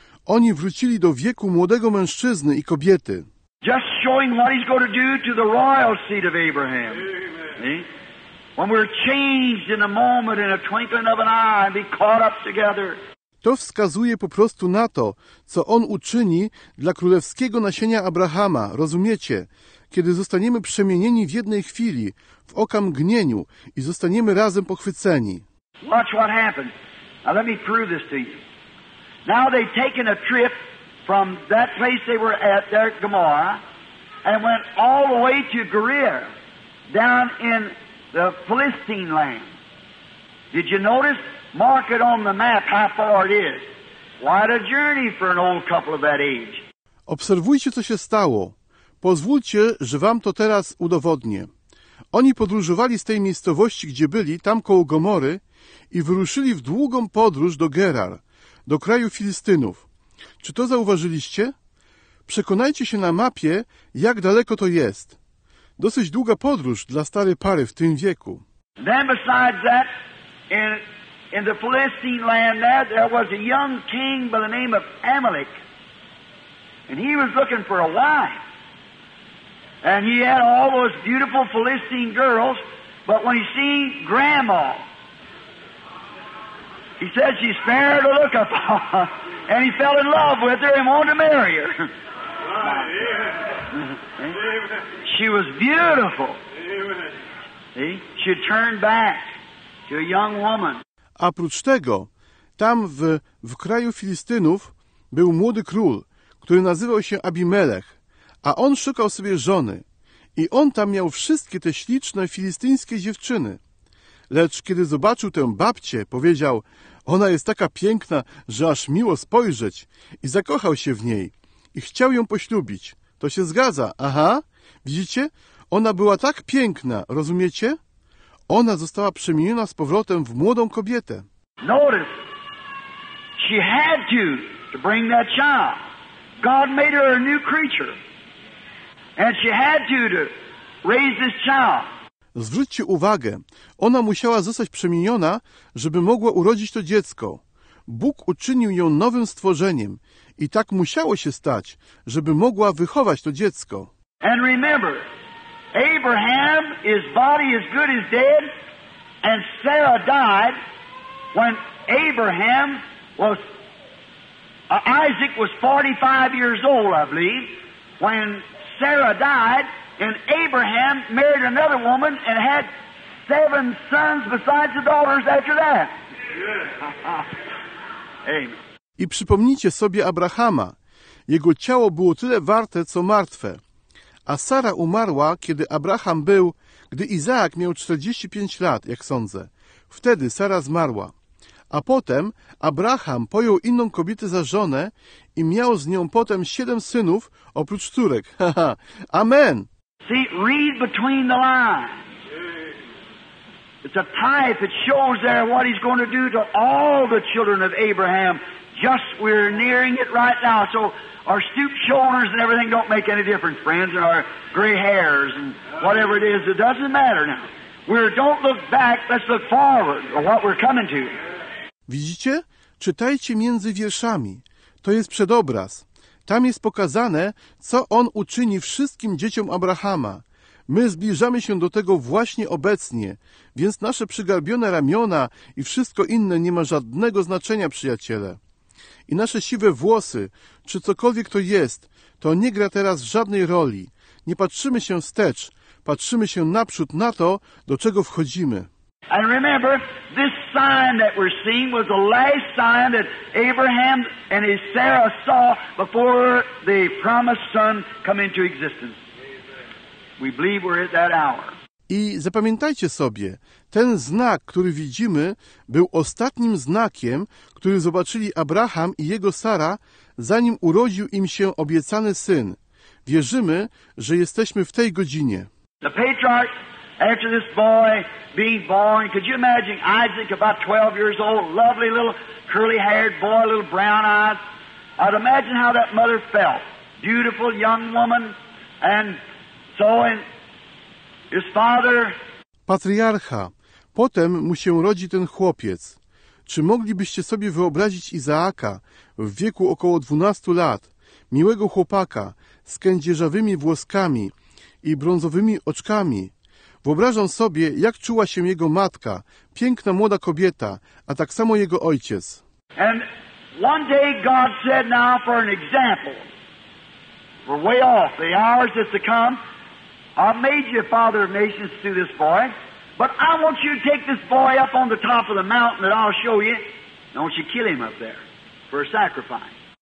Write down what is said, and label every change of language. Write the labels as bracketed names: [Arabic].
[Polish] oni wrócili do wieku młodego mężczyzny i kobiety. [English] Just showing what he's going to do to the royal seed of Abraham. Amen. When we're changed in a moment, in a twinkling of an eye, and be caught up together. [Polish] To wskazuje po prostu na to, co on uczyni dla królewskiego nasienia Abrahama, rozumiecie? Kiedy zostaniemy przemienieni w jednej chwili, w oka mgnieniu i zostaniemy razem pochwyceni. [English] Watch what happened. Now let me prove this to you. Now they've taken a trip from that place they were at, there at Gomorrah, and went all the way to Gerar, down in the Philistine land. Did you notice? Mark it on the map how far it is. What a journey for an old couple of that age. [Polish] Obserwujcie, co się stało. Pozwólcie, że wam to teraz udowodnię. Oni podróżowali z tej miejscowości, gdzie byli, tam koło Gomory, i wyruszyli w długą podróż do Gerar, do kraju Filistynów. Czy to zauważyliście? Przekonajcie się na mapie, jak daleko to jest. Dosyć długa podróż dla starej pary w tym wieku. [English] Then besides that, in the Philistine land there was a young king by the name of Amalek, and he was looking for a wife. And he had all those beautiful Philistine girls, but when he seen Grandma, he said she's fair to look upon, and he fell in love with her and wanted to marry her. She was beautiful. See? She turned back to a young woman. [Polish] A prócz tego, tam w kraju Filistynów był młody król, który nazywał się Abimelech, a on szukał sobie żony. I on tam miał wszystkie te śliczne filistyńskie dziewczyny. Lecz kiedy zobaczył tę babcię, powiedział: ona jest taka piękna, że aż miło spojrzeć. I zakochał się w niej i chciał ją poślubić. To się zgadza, aha, widzicie? Ona była tak piękna, rozumiecie? Ona została przemieniona z powrotem w młodą kobietę. [English] Notice, she had to bring that child. God made her a new creature. And she had to raise this child. [Polish] Zwróćcie uwagę, ona musiała zostać przemieniona, żeby mogła urodzić to dziecko. Bóg uczynił ją nowym stworzeniem i tak musiało się stać, żeby mogła wychować to dziecko. [English] And remember, Abraham, his body is good as dead, and Sarah died when Abraham was, Isaac was 45 years old, I believe, when Sarah died, and Abraham married another woman and had seven sons besides the daughters after that. Amen. [Polish] I przypomnijcie sobie Abrahama. Jego ciało było tyle warte, co martwe. A Sara umarła, kiedy Abraham był, gdy Izaak miał 45 lat, jak sądzę. Wtedy Sara zmarła. A potem Abraham pojął inną kobietę za żonę i miał z nią potem 7 synów oprócz córek. Amen. [English] See, read between the lines. It's a type that shows there what he's going to do to all the children of Abraham. Just we're nearing it right now. So our stooped shoulders and everything don't make any difference, friends. Our gray hairs and whatever it is, it doesn't matter now. Don't look back, let's look forward to what we're coming to. [Polish] Widzicie? Czytajcie między wierszami. To jest przedobraz. Tam jest pokazane, co on uczyni wszystkim dzieciom Abrahama. My zbliżamy się do tego właśnie obecnie, więc nasze przygarbione ramiona i wszystko inne nie ma żadnego znaczenia, przyjaciele. I nasze siwe włosy, czy cokolwiek to jest, to nie gra teraz żadnej roli. Nie patrzymy się wstecz, patrzymy się naprzód na to, do czego wchodzimy. [English] And remember, this sign that we're seeing was the last sign that Abraham and his Sarah saw before the promised son come into existence. We believe we're at that hour. [Polish] I zapamiętajcie sobie, ten znak, który widzimy, był ostatnim znakiem, który zobaczyli Abraham i jego Sara, zanim urodził im się obiecany syn. Wierzymy, że jesteśmy w tej godzinie. [English] The patriarch, after this boy being born, could you imagine Isaac about 12 years old, lovely little curly-haired boy, little brown eyes? I'd imagine how that mother felt. Beautiful young woman, and so in his father. [Polish] Patriarcha. Potem mu się rodzi ten chłopiec. Czy moglibyście sobie wyobrazić Izaaka w wieku około 12 lat, miłego chłopaka z kędzierzawymi włoskami i brązowymi oczkami? Wyobrażam sobie, jak czuła się jego matka, piękna młoda kobieta, a tak samo jego ojciec. [English] And one day God said, now for an example, we're way off, the hours that's to come, I've made you a father of nations through this boy, but I want you to take this boy up on the top of the mountain that I'll show you, and I want you to kill him up there for a sacrifice.